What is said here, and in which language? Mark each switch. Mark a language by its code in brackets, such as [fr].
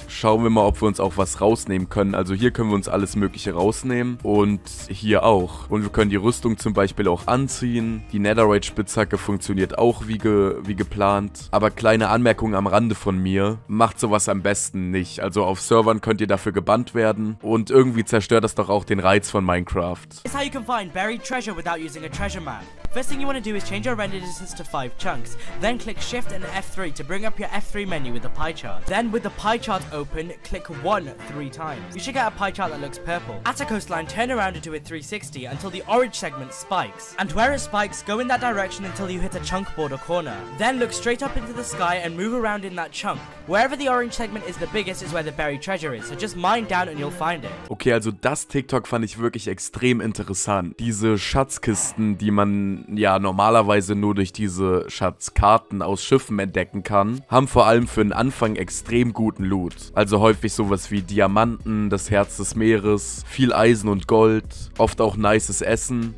[de] Schauen wir mal, ob wir uns auch was rausnehmen können. Also hier können wir uns alles Mögliche rausnehmen und hier auch. Und wir können die Rüstung zum Beispiel auch anziehen. Die Netherite-Spitzhacke funktioniert auch wie geplant. Aber kleine Anmerkung am Rande von mir. Macht sowas am besten nicht. Also auf Servern könnt ihr dafür gebannt werden und irgendwie zerstört das doch auch den Reiz von Minecraft. [en] This is how you can find buried treasure without using a treasure map. First thing you want to do is change your render distance to 5 chunks. Then click Shift and F3 to bring up your F3 menu with the pie chart. Then with the pie chart open, click 1 3 times. You should get a pie chart that looks purple. At a coastline, turn around into a 360 until the orange segment spikes. And where it spikes, go in that direction until you hit a chunk border corner. Then look straight up into the sky and move around in that chunk. Wherever the orange segment is the biggest is where the buried treasure is. So just mine down and you'll find it. [de] Okay, also das TikTok fand ich wirklich extrem interessant. Diese Schatzkisten, die man ja normalerweise nur durch diese Schatzkarten aus Schiffen entdecken kann, haben vor allem für den Anfang extrem guten Loot. Also häufig sowas wie Diamanten, das Herz des Meeres, viel Eisen und Gold, oft auch nices Essen.